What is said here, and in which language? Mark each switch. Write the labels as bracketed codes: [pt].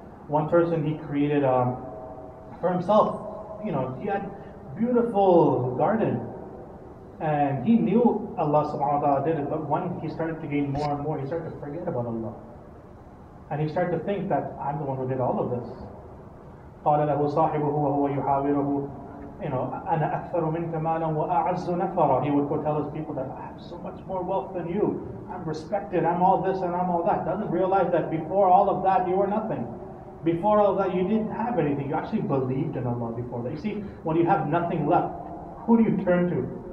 [en] One person He created for Himself. You know, He had beautiful garden. And he knew Allah subhanahu wa ta'ala did it, but when he started to gain more and more, he started to forget about Allah. And he started to think that I'm the one who did all of this. [ar] قَالَ لَهُ صَاحِبُهُ وَهُوَ يُحَاوِرُهُ. [en] You know, [ar] أَنَا أَكْثَرُ مِنْكَ مَالًا وَأَعَزُّ نَفَرًا. [en] He would go tell his people that I have so much more wealth than you. I'm respected, I'm all this and I'm all that. Doesn't realize that before all of that, you were nothing. Before all of that, you didn't have anything. You actually believed in Allah before that. You see, when you have nothing left, who do you turn to?